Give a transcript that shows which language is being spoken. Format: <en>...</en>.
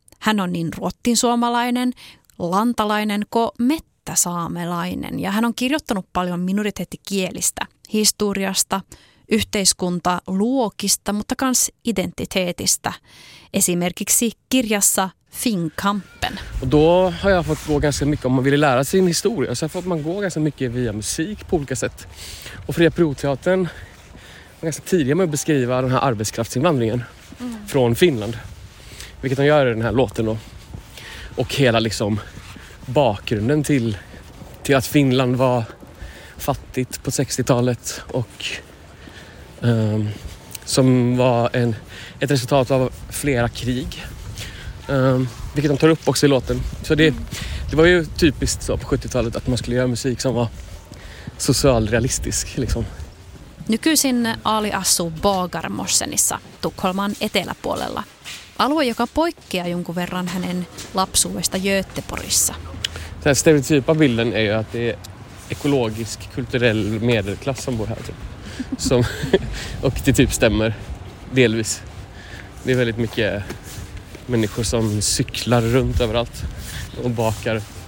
<fi>Hän on niin ruottin suomalainen, lantalainen kuin mettäsaamelainen. Ja hän on kirjoittanut paljon minoriteettikielistä, historiasta, yhteiskuntaluokista, mutta myös identiteetistä. Esimerkiksi kirjassa Finnkampen.</fi> <sv>Och då har jag fått gå ganska mycket, om man vill lära sin historia, så får man gå ganska mycket via musik på olika sätt. Och Fria Pro-teatern var ganska tidigare med att beskriva den här arbetskraftsinvandringen från Finland. Vilket de gör i den här låten då. Och hela liksom bakgrunden till att Finland var fattigt på 60-talet och som var ett resultat av flera krig. Vilket de tar upp också i låten. Så det var ju typiskt så på 70-talet att man skulle göra musik som var socialrealistisk liksom.</sv> <fi>Nykyisin Ali asuu Bagarmossenissa, Tukholman eteläpuolella. Alue, joka poikkeaa jonkun verran hänen lapsuudesta Göteborgissa.</fi> <sv>Den stereotypa bilden är ju att det är ekologisk, kulturell medelklass som bor här typ. Och det typ stämmer delvis. Det är väldigt mycket människor som cyklar runt överallt och bakar.</sv>